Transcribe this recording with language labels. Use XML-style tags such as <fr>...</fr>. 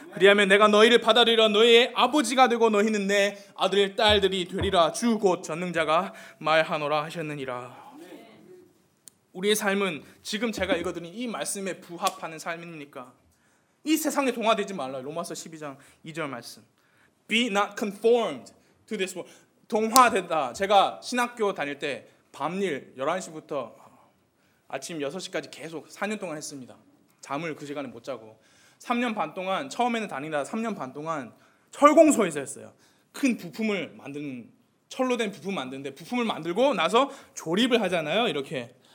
<ko>그리하면 내가 너희를 받아들이라 너희의 아버지가 되고 너희는 내 아들의 딸들이 되리라. 주 곧 전능자가 말하노라 하셨느니라. 우리의 삶은 지금 제가 읽어드린 이 말씀에 부합하는 삶입니까? 이 세상에 동화되지 말라. 로마서 12장 2절 말씀.</ko> <en>Be not conformed to this world.</en> <ko>동화되다. 제가 신학교 다닐 때 밤일 11시부터 아침 6시까지 계속 4년 동안 했습니다. 잠을 그 시간에 못 자고. 3년 반 동안 처음에는 다니다 3년 반 동안 철공소에서 했어요. 큰 부품을 만드는 철로 된 부품 만드는데 부품을 만들고 나서 조립을 하잖아요. 이렇게.</ko>